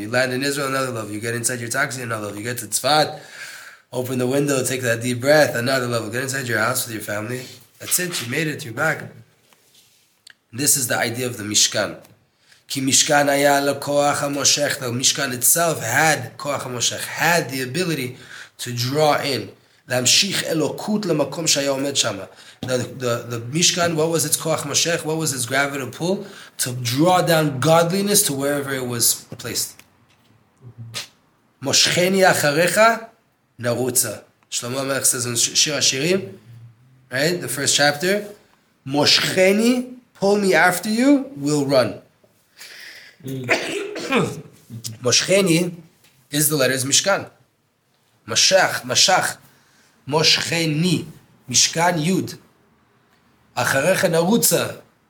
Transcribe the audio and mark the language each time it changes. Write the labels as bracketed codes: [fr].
[en] You land in Israel, another level. You get inside your taxi, another level. You get to Tzfat, open the window, take that deep breath, another level. Get inside your house with your family. That's it. You made it. You're back. This is the idea of the Mishkan. [he] Ki Mishkan haya lo koach ha-moshech. [en] The Mishkan itself had koach ha-moshech, had the ability to draw in. [he] להמשיך אלוקות למקום שהיה עומד שם. [en] The Mishkan, what was its koach moshech? What was its gravity pull? To draw down godliness to wherever it was placed. [he] מושכני אחריך נרוצה. [en] שלמה המלך says in שיר השירים, right? The first chapter. מושכני, pull me after you, we'll run. מושכני is the letters Mishkan. משך. [he] Moshcheni, Mishkan Yud. Acharecha Narutza.